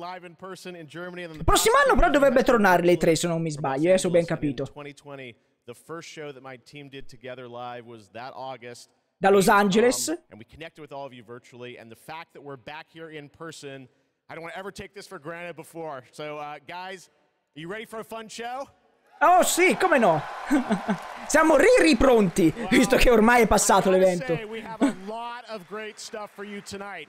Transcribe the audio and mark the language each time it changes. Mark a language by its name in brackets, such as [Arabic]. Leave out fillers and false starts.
[Italian] Il prossimo anno però dovrebbe tornare l'E3, se non mi sbaglio, adesso ho ben capito. [English] The first show that my team did together live was that August. [Italian] Da Los Angeles. [English] And we connected with all of you virtually, and the fact that we're back here in person, I don't want to ever take this for granted before. So, guys, are you ready for a fun show? [Italian] Oh sì, come no? Siamo ripronti, visto che ormai è passato l'evento. [English] We have a lot of great stuff for you tonight.